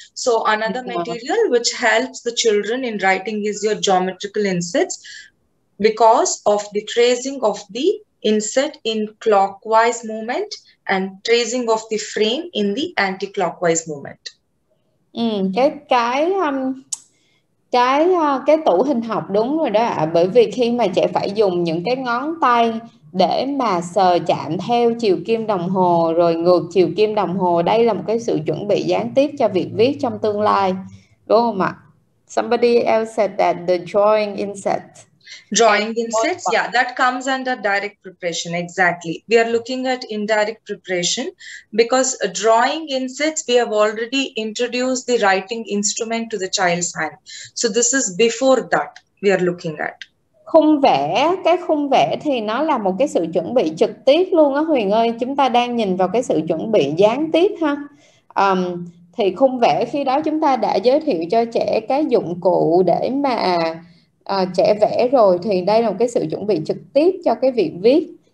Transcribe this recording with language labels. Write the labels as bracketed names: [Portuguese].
[English] So another material which helps the children in writing is your geometrical insets, because of the tracing of the inset in clockwise movement and tracing of the frame in the anti-clockwise movement. [Vietnamese] Cái tủ hình học, đúng rồi đó ạ. Bởi vì khi mà trẻ phải dùng những cái ngón tay để mà sờ chạm theo chiều kim đồng hồ rồi ngược chiều kim đồng hồ, đây là một cái sự chuẩn bị gián tiếp cho việc viết trong tương lai, đúng không ạ? [English] Somebody else said that the drawing inset. Drawing insets, yeah, that comes under direct preparation, exactly. We are looking at indirect preparation because drawing insets, we have already introduced the writing instrument to the child's hand. So this is before that we are looking at. [Vietnamese] Cái khung vẽ thì nó là một cái sự chuẩn bị trực tiếp luôn á Huyền ơi. Chúng ta đang nhìn vào cái sự chuẩn bị gián tiếp ha. Thì khung vẽ khi đó chúng ta đã giới thiệu cho trẻ cái dụng cụ để mà trẻ vẽ rồi, thì đây là một cái sự chuẩn bị trực tiếp cho cái việc viết.